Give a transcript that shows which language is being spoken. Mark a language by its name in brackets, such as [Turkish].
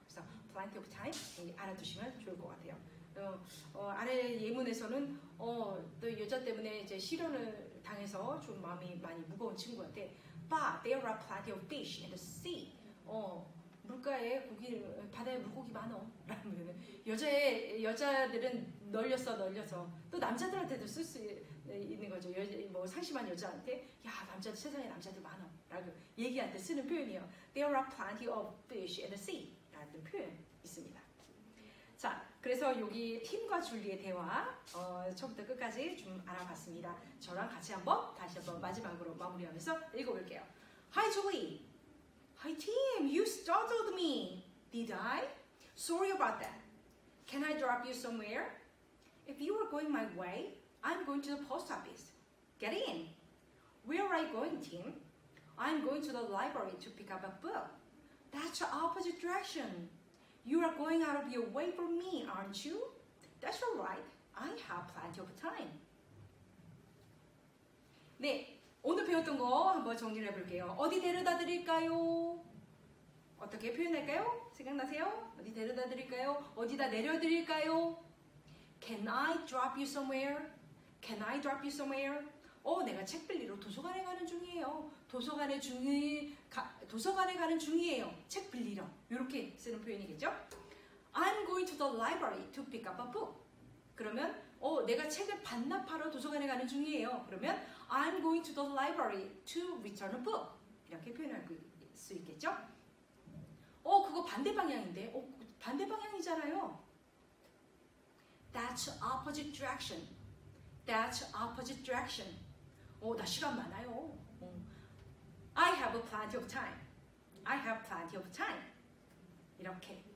[Korean] 그래서 plenty of time 알아두시면 좋을 것 같아요. 아래 예문에서는 또 여자 때문에 이제 실연을 당해서 좀 마음이 많이 무거운 친구한테 [English] But there are plenty of fish in the sea. [Korean] 물가에 바다에 물고기 많어. 라면 여자들은 널려서 또 남자들한테도 쓸 수 있는 거죠. 뭐 상심한 여자한테 야 남자들 세상에 남자들 많어. 라고 얘기할 때 쓰는 표현이요. [English] There are plenty of fish in the sea. [Korean] 라는 표현 있습니다. 자, 그래서 여기 팀과 줄리의 대화 처음부터 끝까지 좀 알아봤습니다. 저랑 같이 한번 다시 한번 마지막으로 마무리하면서 읽어볼게요. [English] Hi, Joey. Hi, Tim. You startled me. Did I? Sorry about that. Can I drop you somewhere? If you are going my way, I'm going to the post office. Get in. Where are you going, Tim? I'm going to the library to pick up a book. That's the opposite direction. You are going out of your way for me, aren't you? That's all right. I have plenty of time. [Korean] 네, 오늘 배웠던 거 한번 정리를 해볼게요. 어디 데려다 드릴까요? 어떻게 표현할까요? 생각나세요? 어디 데려다 드릴까요? 어디다 내려 드릴까요? [English] Can I drop you somewhere? Can I drop you somewhere? [Korean] 내가 책 빌리러 도서관에 가는 중이에요. 도서관에 가는 중이에요. 책 빌리러. 이렇게 쓰는 표현이겠죠? [English] I'm going to the library to pick up a book. [Korean] 그러면 내가 책을 반납하러 도서관에 가는 중이에요. [English] 그러면 I'm going to the library to return a book. [Korean] 이렇게 표현할 수 있겠죠? 그거 반대 방향인데. 반대 방향이잖아요. [English] That's opposite direction. [Korean] That's opposite direction. 나 시간 많아요. [English] I have plenty of time. I have plenty of time. [Korean] 이렇게.